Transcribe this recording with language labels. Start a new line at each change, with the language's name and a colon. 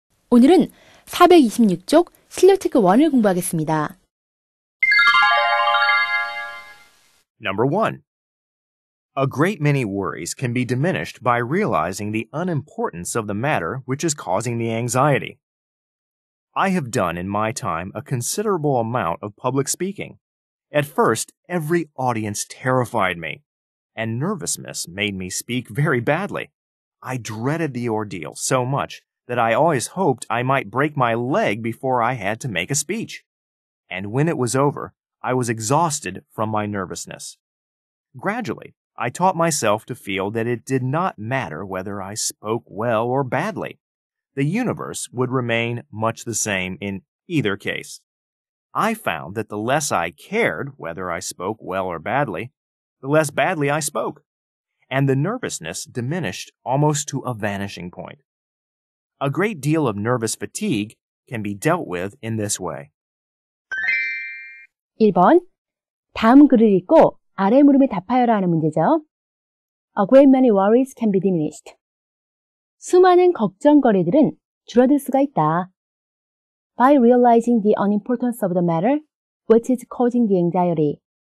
Korean: 오늘은 426쪽 실력체크 1을 공부하겠습니다.
English: Number 1. A great many worries can be diminished by realizing the unimportance of the matter which is causing the anxiety. I have done in my time a considerable amount of public speaking. At first, every audience terrified me, and nervousness made me speak very badly. I dreaded the ordeal so much that I always hoped I might break my leg before I had to make a speech. And when it was over, I was exhausted from my nervousness. Gradually, I taught myself to feel that it did not matter whether I spoke well or badly. The universe would remain much the same in either case. I found that the less I cared whether I spoke well or badly, the less badly I spoke. And the nervousness diminished almost to a vanishing point. A great deal of nervous fatigue can be dealt with in this way.
Korean: 1번, 다음 글을 읽고 아래 물음에 답하여라 하는 문제죠.
English: A great many worries can be diminished.
Korean: 수많은 걱정거리들은 줄어들 수가 있다.
English: By realizing the unimportance of the matter, which is causing the anxiety.